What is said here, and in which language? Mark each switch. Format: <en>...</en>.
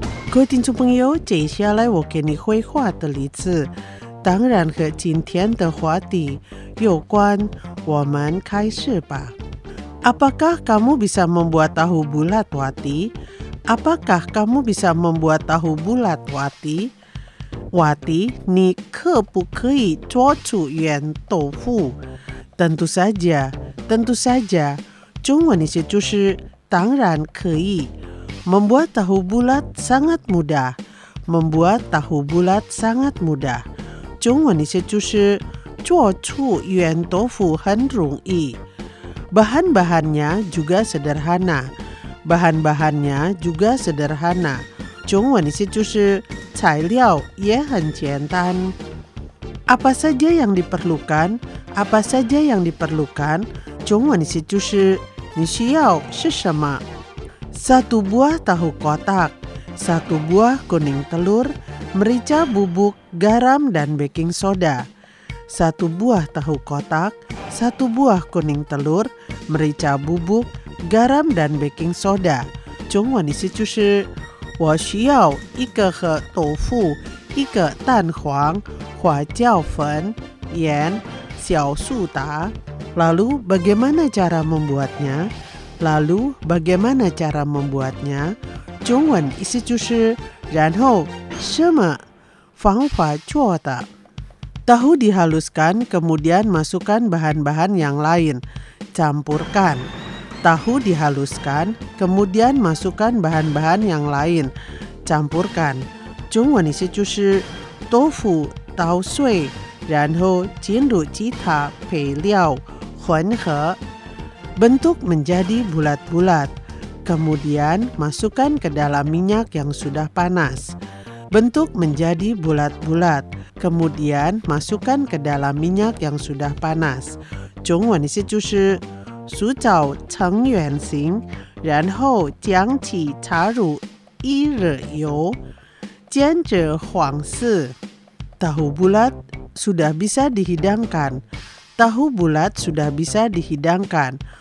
<zh>各位听众朋友，接下来我给你绘画的例子，当然和今天的话题有关。我们开始吧。</zh> <id>Apakah kamu bisa membuat tahu bulat, Wati? Apakah kamu bisa membuat tahu bulat, Wati?</id> <zh>Wati, 你可不可以做出圆豆腐？</zh> <id>Tentu saja, tentu saja.</id> <zh>中文意思就是当然可以。</zh> <id>Membuat tahu bulat sangat mudah. Membuat tahu bulat sangat mudah.</id> <zh>中文意思就是做出圆豆腐很容易。</zh> <id>Bahan-bahannya juga sederhana. Bahan-bahannya juga sederhana.</id> <zh>中文意思就是材料也很简单。</zh> <id>Apa saja yang diperlukan? Apa saja yang diperlukan?</id> <zh>中文意思就是你需要是什么。</zh> <id>Satu buah tahu kotak, satu buah kuning telur, merica bubuk, garam, dan baking soda. Satu buah tahu kotak, satu buah kuning telur, merica bubuk, garam, dan baking soda.</id> <zh>中文的意思就是，我需要一个盒豆腐，一个蛋黄，花椒粉，盐，小苏打。</zh> <id>Lalu bagaimana cara membuatnya? Lalu bagaimana cara membuatnya?</id> <zh>中文意思就是然后什么方法做的。</zh> <id>Tahu dihaluskan kemudian masukkan bahan-bahan yang lain. Campurkan. Tahu dihaluskan kemudian masukkan bahan-bahan yang lain. Campurkan.</id> <zh>中文意思就是豆腐捣碎，然后进入其他配料混合。</zh> <id>Bentuk menjadi bulat-bulat, kemudian masukkan ke dalam minyak yang sudah panas. Bentuk menjadi bulat-bulat, kemudian masukkan ke dalam minyak yang sudah panas.</id> <zh>中文意思就是塑造成圆形，然后将其插入一日油，煎至黄色。</zh> <id>Tahu bulat sudah bisa dihidangkan. Tahu bulat sudah bisa dihidangkan.</id>